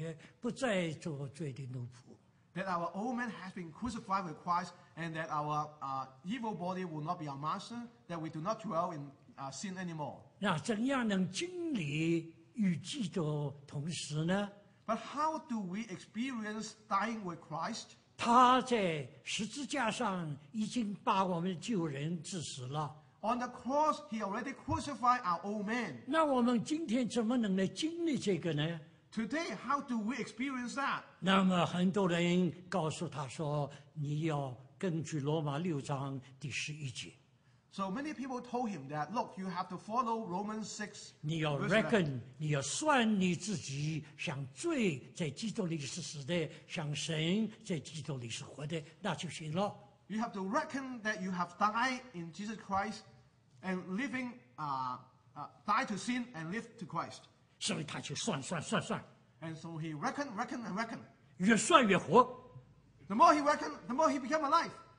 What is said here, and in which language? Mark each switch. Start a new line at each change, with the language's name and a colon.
Chinese: 说我们的旧人已经与基督同钉十字架，叫我们罪生灭绝，不再做罪的奴仆。
English: That our old man has been crucified with Christ, and that our evil body will not be our master, that we do not dwell in sin anymore.
Chinese: 那怎样能经历与基督同时呢？
English: But how do we experience dying with Christ?
Chinese: 他在十字架上已经把我们旧人致死了。
English: On the cross, he already crucified our old man.
Chinese: 那我们今天怎么能来经历这个呢？
English: Today, how do we experience that?
Chinese: 那么很多人告诉他说， 你要根据罗马六章第十一节。
English: So many people told him that, look, you have to follow Romans 6.
Chinese: 你要 reckon, 你要算你自己像罪在基督里是死的，像神在基督里是活的，那就行了。
English: You have to reckon that you have died in Jesus Christ and living, died to sin and lived to Christ.
Chinese: 所以他就算。
English: And so he reckon.
Chinese: 越算越活。
English: The more he reckon, the more he become alive.